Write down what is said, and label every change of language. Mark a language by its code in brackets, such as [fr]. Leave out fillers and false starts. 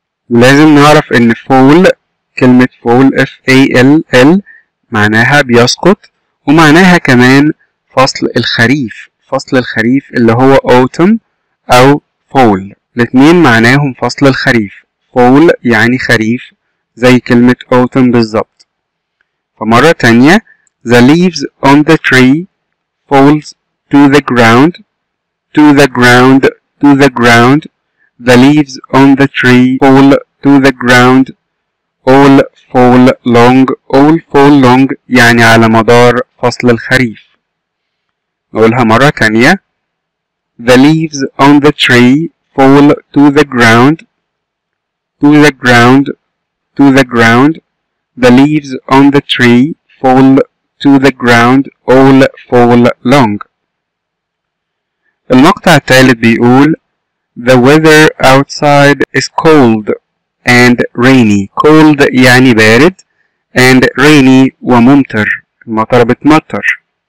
[ar] ولازم نعرف إن fall كلمة fall F-A-L-L معناها بيسقط, ومعناها كمان فصل الخريف اللي هو autumn أو fall. الاثنين معناهم فصل الخريف, fall يعني خريف زي كلمة autumn بالضبط. فمرة تانية, [en] the leaves on the tree falls to the ground. The leaves on the tree fall to the ground. All fall long [ar] يعني على مدار فصل الخريف. نقولها مرة تانية, [en] the leaves on the tree fall to the ground. The leaves on the tree fall to the ground. All fall long. [ar] المقطع الثالث بيقول [en] the weather outside is cold and rainy. [ar] Cold يعني بارد, [en] and rainy [ar] وممطر, المطر بتمطر.